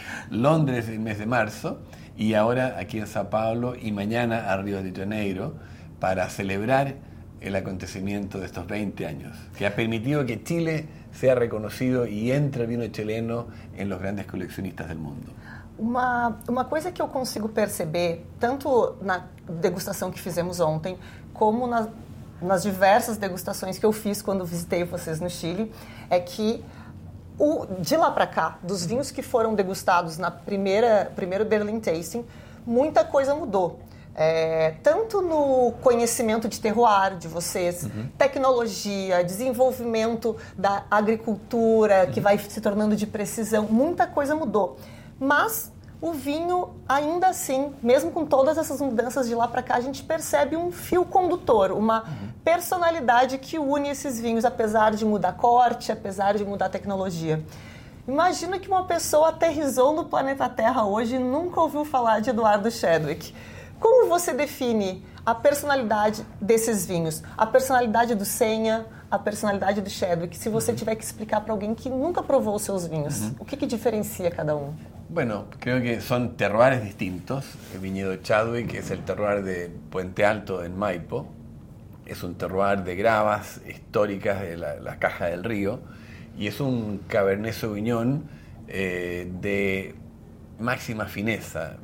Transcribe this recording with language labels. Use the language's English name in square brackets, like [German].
[Spanish] Londres en mes de marzo, y ahora aquí en Sao Paulo, y mañana a Río de Janeiro, para celebrar el acontecimiento de estos 20 años, que ha permitido que Chile sea reconocido y entre el vino chileno en los grandes coleccionistas del mundo. [Portuguese] Uma coisa que eu consigo perceber, tanto na degustação que fizemos ontem, como nas diversas degustações que eu fiz quando visitei vocês no Chile, é que de lá para cá, dos vinhos que foram degustados na primeira Berlin Tasting, muita coisa mudou. Tanto no conhecimento de terroir de vocês, tecnologia, desenvolvimento da agricultura, que vai se tornando de precisão, muita coisa mudou. Mas o vinho, ainda assim, mesmo com todas essas mudanças de lá para cá, a gente percebe um fio condutor, uma personalidade que une esses vinhos, apesar de mudar corte, apesar de mudar tecnologia. Imagina que uma pessoa aterrissou no planeta Terra hoje e nunca ouviu falar de Eduardo Chadwick. Como você define a personalidade desses vinhos? A personalidade do Senha, a personalidade do Chadwick, se você tiver que explicar para alguém que nunca provou os seus vinhos, o que diferencia cada um? [Spanish] Bueno, creo que son terroirs distintos. El viñedo Chadwick es el terroir de Puente Alto en Maipo. Es un terroir de gravas históricas de la caja del río. Y es un Cabernet Sauvignon de máxima fineza.